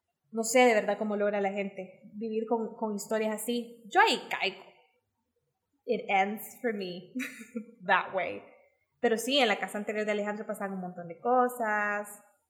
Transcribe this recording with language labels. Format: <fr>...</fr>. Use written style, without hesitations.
<es>No sé de verdad cómo logra la gente vivir con historias así. Yo ahí caigo,</es> <en>it ends for me that way.</en> <es>Pero sí, en la casa anterior de Alejandro pasaban un montón de cosas.</es>